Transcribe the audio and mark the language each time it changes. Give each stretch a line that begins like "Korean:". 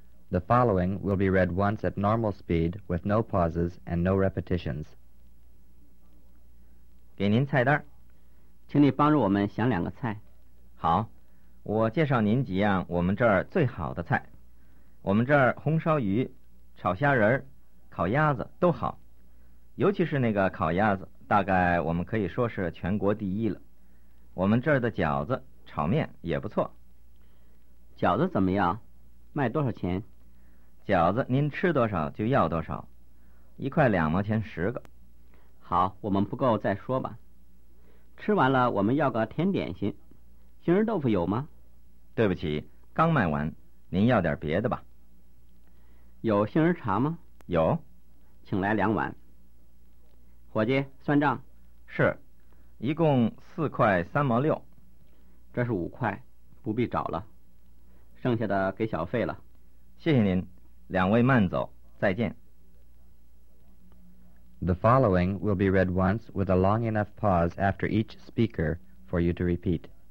English: The following will be read once at normal speed with no pauses and no repetitions.
Chinese: 给您菜单，请你帮助我们想两个菜。好，我介绍您几样我们这儿最好的菜。我们这儿红烧鱼、炒虾仁、烤鸭子都好，尤其是那个烤鸭子，大概我们可以说是全国第一了。我们这儿的饺子、炒面也不错。饺子怎么样？卖多少钱？饺子您吃多少就要多少，一块两毛钱十个。好，我们不够再说吧。吃完了我们要个甜点心，杏仁豆腐有吗？对不起，刚卖完，您要点别的吧。有杏仁茶吗？有，请来两碗。伙计，算账。是，一共四块三毛六。这是五块，不必找了，剩下的给小费了。谢谢您，两位慢走，再见。
English: The following will be read once with a long enough pause after each speaker for you to repeat.